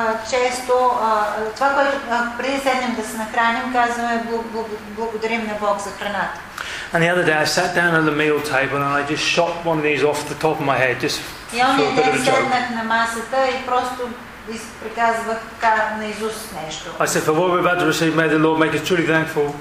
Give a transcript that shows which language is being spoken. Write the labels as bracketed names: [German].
[Bulgarian] Често това, което преди седнем да се нахраним, казваме благодарим на Бог за храната. [English] And the other day I sat down at the meal table and I just shot one of these off the top of my head just for a bit of a joke. [Bulgarian] На масата и просто изприказвах така на изуст нещо. [English] I said, for what we're about to receive, may the Lord make us truly thankful.